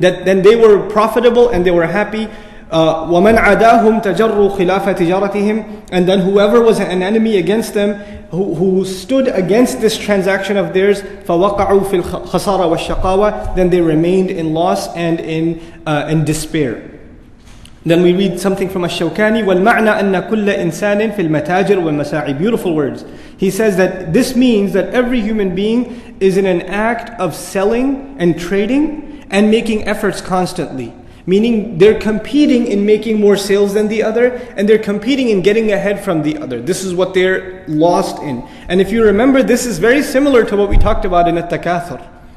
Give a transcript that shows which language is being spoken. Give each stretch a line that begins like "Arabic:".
English: That then they were profitable and they were happy.
Arabic: وَمَنْ عَدَاهُمْ تَجَرُّوا خِلَافَ تِجَارَتِهِمْ.
English: And then whoever was an enemy against them, who stood against this transaction of theirs,
Arabic: فَوَقَعُوا فِي الْخَسَارَ وَالشَّقَاوَ.
English: Then they remained in loss and in despair. Then we read something from Ash-Shawkani,
Arabic: وَالْمَعْنَى أَنَّ كُلَّ إِنسَانٍ فِي الْمَتَاجِرِ وَالْمَسَاعِ.
English: Beautiful words. He says that this means that every human being is in an act of selling and trading, and making efforts constantly. Meaning they're competing in making more sales than the other, and they're competing in getting ahead from the other. This is what they're lost in. And if you remember, this is very similar to what we talked about in At-Takathur.